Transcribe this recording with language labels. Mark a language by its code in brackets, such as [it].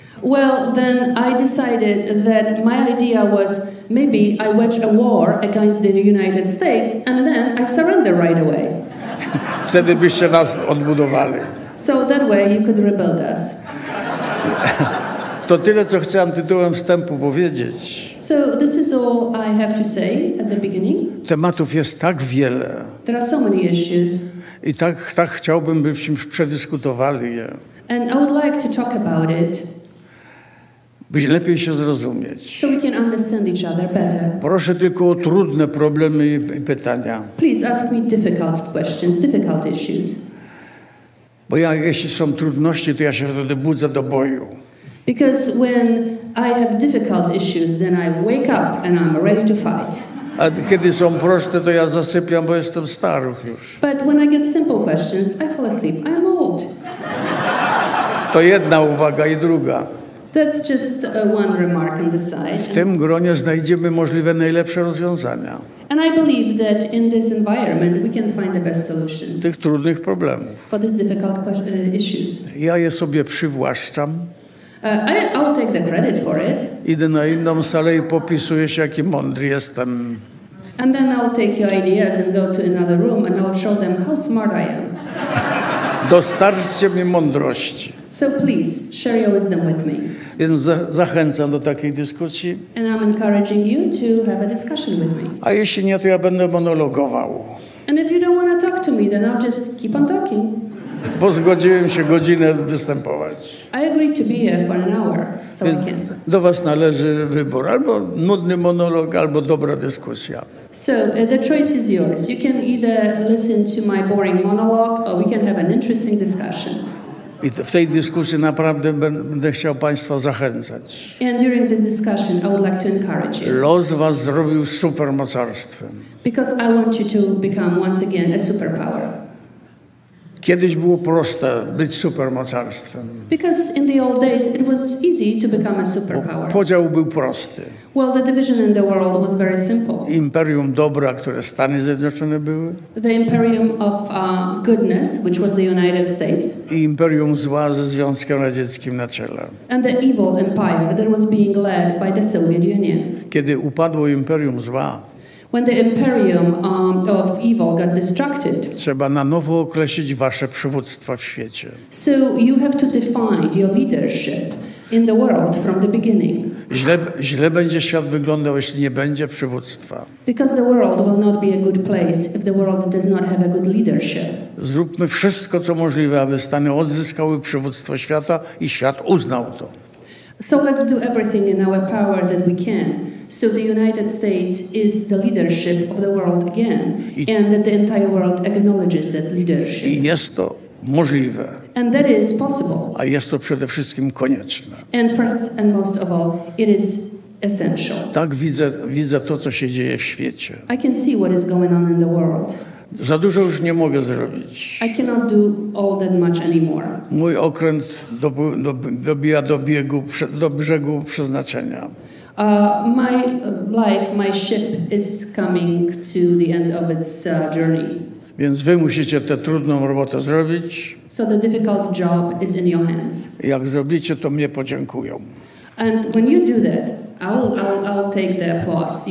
[en] Well, then I decided that my idea was maybe I wage a war against the United States and then I surrender right away. [pl] Wtedy byście nas odbudowali. [en] So that way you could rebuild us. [pl] To tyle, co chciałem tytułem wstępu powiedzieć. [en] So this is all I have to say at the beginning. [pl] Tematów jest tak wiele. [en] There are so many issues. [pl] I tak chciałbym, byśmy przedyskutowali je. [en] And I would like to talk about it. [pl] By lepiej się zrozumieć. [en] So we can understand each other better. [pl] Proszę tylko o trudne problemy i pytania. [en] Please ask me difficult questions, difficult issues. [pl] Bo ja, jeśli są trudności, to ja się wtedy budzę do boju. [en] Because when I have difficult issues, then I wake up and I'm ready to fight. [pl] A kiedy są proste, to ja zasypiam, bo jestem stary już. [en] But when I get simple questions, I fall asleep. I am old. [pl] To jedna uwaga i druga. [en] That's just one remark on the side. [pl] W tym gronie znajdziemy możliwe najlepsze rozwiązania. [en] And I believe that in this environment we can find the best solutions. [pl] Tych trudnych problemów. [en] For these difficult issues. [pl] Ja je sobie przywłaszczam. [en] I'll take the credit for it. [pl] Idę na inną salę i popisuję się, jaki mądry jestem. [en] And then I'll take your ideas and go to another room and I'll show them how smart I am. [pl] Dostarczcie mi mądrości. [en] So please share your wisdom with me. [pl] Więc zachęcam do takiej dyskusji. [en] And I'm encouraging you to have a discussion with me. [pl] A jeśli nie, to ja będę monologował. [en] And if you don't want to talk to me, then I'll just keep on talking. [pl] Bo zgodziłem się godzinę występować. [en] I agreed to be here for an hour, so [pl] Więc [en] I can. [pl] Do was należy wybór, albo nudny monolog, albo dobra dyskusja. [en] So the choice is yours. You can either listen to my boring monologue, or we can have an interesting discussion. [pl] I w tej dyskusji naprawdę będę chciał Państwa zachęcać. [en] And during this discussion, I would like to encourage you. [pl] Los was zrobił supermocarstwem. [en] Because I want you to become once again a superpower. [pl] Kiedyś było proste być supermocarstwem. [en] Because in the old days it was easy to become a superpower. [pl] Podział był prosty. [en] Well, the division in the world was very simple. [pl] Imperium dobra, które Stany Zjednoczone były. [en] The imperium of goodness, which was the United States. [pl] I imperium zła ze Związkiem Radzieckim na czele. [en] And the evil empire that was being led by the Soviet Union. [pl] Kiedy upadło imperium zła. [en] When the imperium of evil got destructed. [pl] Trzeba na nowo określić wasze przywództwo w świecie. [en] So you have to define your leadership in the world from the beginning. [pl] Źle będzie świat wyglądał, jeśli nie będzie przywództwa. [en] Because the world will not be a good place if the world does not have a good leadership. [pl] Zróbmy wszystko, co możliwe, aby Stany odzyskały przywództwo świata i świat uznał to. [en] So let's do everything in our power that we can. So the United States is the leadership of the world again. And that the entire world acknowledges that leadership. [pl] I jest to możliwe. [en] And that is possible. [pl] A jest to przede wszystkim konieczne. [en] And first and most of all, it is essential. [pl] Tak widzę to, co się dzieje w świecie. [en] I can see what is going on in the world. [pl] Za dużo już nie mogę zrobić. [en] I cannot do all that much anymore. [pl] Mój okręt dobija do brzegu przeznaczenia. [en] My life, my ship is coming to the end of its journey. [pl] Więc wy musicie tę trudną robotę zrobić. [en] So the difficult job is in your hands. [pl] Jak zrobicie, to mnie podziękują. [en] And when you do that, I'll take the applause.